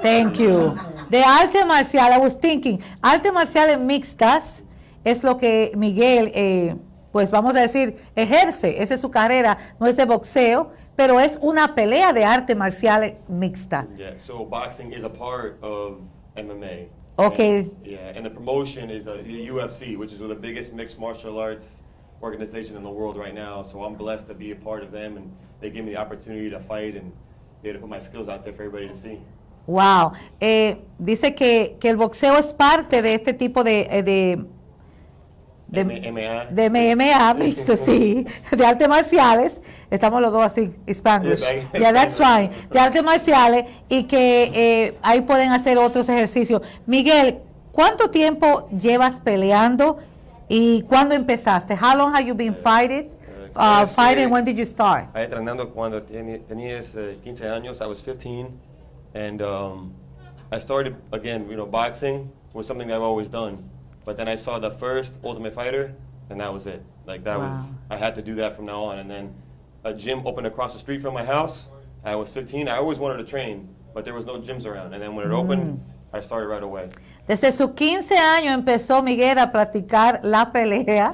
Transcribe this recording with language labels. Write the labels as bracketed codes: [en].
[en] Thank you. [es] De arte marcial, [en] I was thinking. [es] Artes marciales mixtas es lo que Miguel, pues vamos a decir, ejerce. Esa es su carrera, no es de boxeo, pero es una pelea de arte marcial mixta. [en] Yeah, so boxing is a part of MMA. Ok. And the promotion is the UFC, which is one of the biggest mixed martial arts organization in the world right now. So I'm blessed to be a part of them, and they give me the opportunity to fight and be able to put my skills out there for everybody to see. [es] Wow, dice que el boxeo es parte de este tipo MMA. de MMA mixto, sí, de artes marciales. Estamos los dos así, Spanglish. [en] Yeah, Yeah, that's fine. De Spanglish. [es] artes marciales y que ahí pueden hacer otros ejercicios. Miguel, ¿cuánto tiempo llevas peleando y cuándo empezaste? [en] How long have you been fighting, when [es] Comencé [en] did you start? [es] entrenando cuando tenía 15 años. [en] I was 15, and I started again. Boxing was something that I've always done, but then I saw the first Ultimate Fighter, and that was it. Like that Wow. was, I had to do that from now on. And then a gym opened across the street from my house. I was 15. I always wanted to train, but there was no gyms around. And then when it opened, I started right away. [es] Desde sus 15 años empezó Miguel a practicar la pelea.